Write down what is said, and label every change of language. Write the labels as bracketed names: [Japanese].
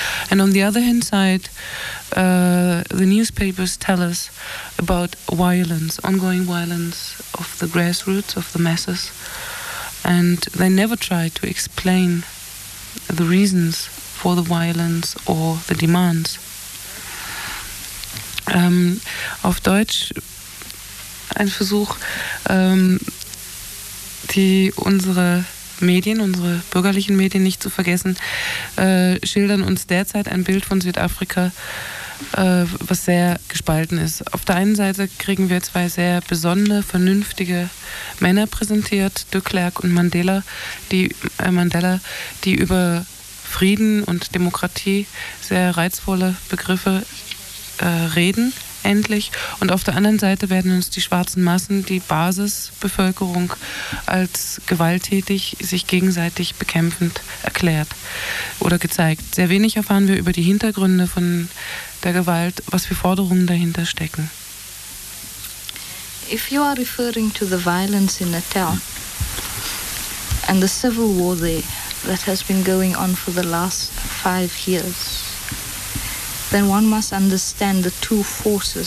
[English] And on the other hand side, the newspapers tell us about violence, ongoing violence of the grassroots, of the masses, and they never try to explain the reasons for the violence or the demands. [German] Auf Deutsch ein Versuch, unsere Medien, unsere bürgerlichen Medien nicht zu vergessen, schildern uns derzeit ein Bild von Südafrika, was sehr gespalten ist. Auf der einen Seite kriegen wir zwei sehr besondere, vernünftige Männer präsentiert, de Klerk und Mandela, die über Frieden und Demokratie sehr reizvolle Begriffe reden, endlich. Und auf der anderen Seite werden uns die schwarzen Massen, die Basisbevölkerung, als gewalttätig, sich gegenseitig bekämpfend erklärt oder gezeigt. Sehr wenig erfahren wir über die Hintergründe von der Gewalt, was für Forderungen dahinter stecken. [English] If you are referring to the violence in Natal and the civil war there that has been going on for the last 5 years, then one must understand the two forces